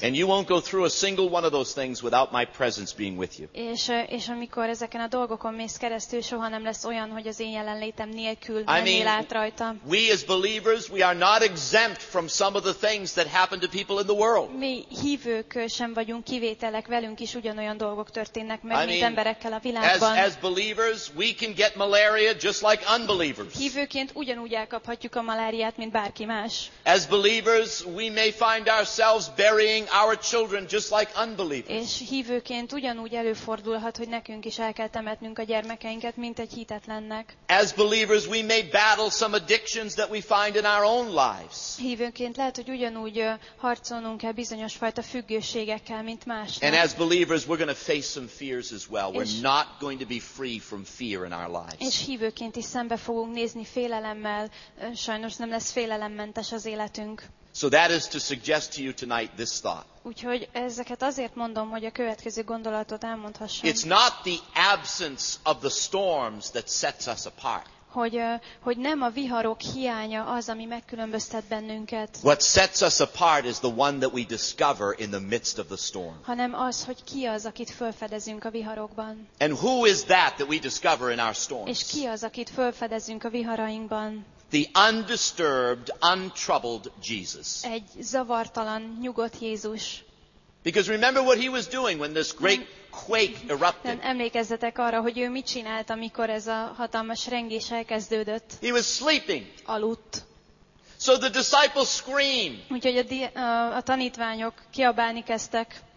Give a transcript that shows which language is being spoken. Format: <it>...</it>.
<en>And you won't go through a single one of those things without my presence being with you.</en> <hu>És amikor ezeken a dolgokon mész keresztül, soha nem lesz olyan, hogy az én jelenlétem nélkül nem él át rajta.</hu> <en>We as believers, we are not exempt from some of the things that happen to people in the world.</en> <hu>Mi hívők sem vagyunk kivételek, velünk is ugyanolyan dolgok történnek meg, mint emberekkel a világban.</hu> <en>As believers, we can get malaria just like unbelievers.</en> <hu>Hívőként ugyanúgy elkaphatjuk a maláriát, mint bárki más.</hu> <en>Believers, we may find ourselves burying our children just like unbelievers.</en> <hu>És hívőként ugyanúgy előfordulhat, hogy nekünk is el kell temetnünk a gyermekeinket, mint egy hitetlennek.</hu> <en>As believers, we may battle some addictions that we find in our own lives.</en> <hu>Hívőként lehet, hogy ugyanúgy harcolnunk kell bizonyos fajta függőségekkel, mint másnak.</hu> <en>And as believers, we're going to face some fears as well. We're not going to be free from fear in our lives.</en> <hu>És hívőként is szembe fogunk nézni félelemmel. Sajnos nem lesz félelemmentes az élet.</hu> <en>So that is to suggest to you tonight this thought.</en> <hu>Úgyhogy ezeket azért mondom, hogy a következő gondolatot elmondhassam.</hu> <en>It's not the absence of the storms that sets us apart.</en> <hu>Hogy nem a viharok hiánya az, ami megkülönböztet bennünket.</hu> <en>What sets us apart is the one that we discover in the midst of the storm.</en> <hu>Hanem az, hogy ki az, akit felfedezünk a viharokban.</hu> <en>And who is that that we discover in our storms?</en> <hu>És ki az, akit felfedezünk a viharainkban?</hu> <en>The undisturbed, untroubled Jesus.</en> <hu>Egy zavartalan, nyugodt Jézus.</hu> <en>Because remember what he was doing when this great quake erupted.</en> <hu>Nem emlékezzetek arra, hogy ő mit csinált, amikor ez a hatalmas rengés elkezdődött.</hu> <en>He was sleeping.</en> <hu>Aludt.</hu> <en>So the disciples scream.</en> <hu>Úgyhogy a tanítványok kiabálni kezdtek.</hu>